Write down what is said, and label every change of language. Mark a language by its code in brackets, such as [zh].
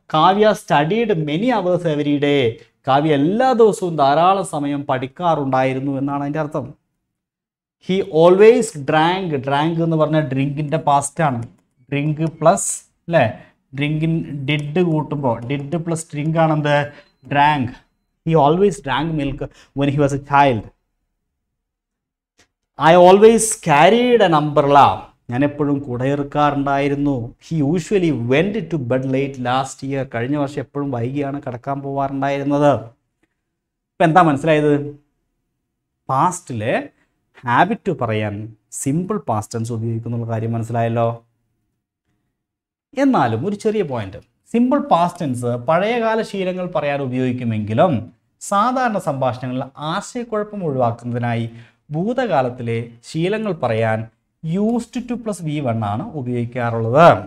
[en] Kavya studied many hours every day, [ml] Kavya എല്ലാ ദിവസവും ധാരാളം സമയം പഠിക്കാറുണ്ടായിരുന്നു എന്നാണ് അതിൻ്റെ അർത്ഥം. [en] he always drank, [ml] ഡ്രാങ്ക് എന്ന് പറഞ്ഞാൽ ഡ്രിങ്കിൻ്റെ പാസ്റ്റാണ്. ഡ്രിങ്ക് പ്ലസ് അല്ലേ, ഡ്രിങ്കിൻ ഡിഡ് കൂട്ടുമ്പോൾ did plus drink ആണെന്ത്? Drank. [en] He always drank milk when he was a child. I always carried an umbrella. [ml] ഞാൻ എപ്പോഴും കുടയിറക്കാറുണ്ടായിരുന്നു. [en] He usually went to bed late last year. [ml] കഴിഞ്ഞ വർഷം എപ്പോഴും വൈകിയാണ് കിടക്കാൻ പോവാറുണ്ടായിരുന്നത്. ഇപ്പം എന്താ മനസ്സിലായത്? പാസ്റ്റിലെ ഹാബിറ്റ് പറയാൻ സിമ്പിൾ പാസ്റ്റ് ടെൻസ് ഉപയോഗിക്കുന്നുള്ള കാര്യം മനസ്സിലായല്ലോ. എന്നാലും ഒരു ചെറിയ പോയിന്റ്, സിമ്പിൾ പാസ്റ്റ് ടെൻസ് പഴയകാല ശീലങ്ങൾ പറയാൻ ഉപയോഗിക്കുമെങ്കിലും സാധാരണ സംഭാഷണങ്ങളിൽ ആശയക്കുഴപ്പം ഒഴിവാക്കുന്നതിനായി ഭൂതകാലത്തിലെ ശീലങ്ങൾ പറയാൻ used to plus v1 ആണ് ഉപയോഗിക്കാറുള്ളത്.